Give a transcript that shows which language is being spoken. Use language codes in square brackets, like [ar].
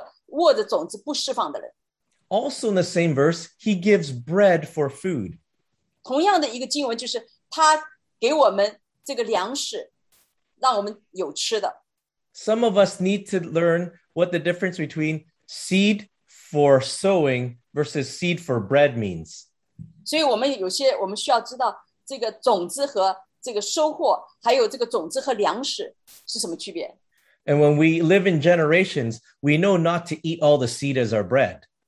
[zh] 所以如果你缺少种子的话，那你就来审查自己是不是一个撒种的人，还是说你是一个握着种子不释放的人。 [en] Also in the same verse, he gives bread for food. [zh] 同样的一个经文就是他给我们这个粮食，让我们有吃的。 [en] Some of us need to learn what the difference between seed for sowing versus seed for bread means. [zh] 所以我们有些我们需要知道 这个种子和这个收获，还有这个种子和粮食是什么区别？ [en] And when we live in generations, we know not to eat all the seed as our bread.